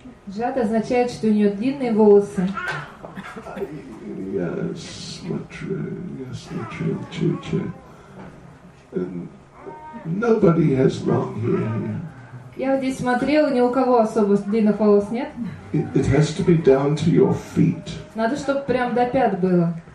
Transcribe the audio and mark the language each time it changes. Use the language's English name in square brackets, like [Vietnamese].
[Russian] Джат означает, что у нее длинные волосы. Я смотрю, чуть-чуть. [English] Nobody has long hair. [Russian] Я вот здесь смотрел, ни у кого особо длинных волос нет. [English] It has to be down to your feet. [Russian] Надо, чтобы прям до пят было.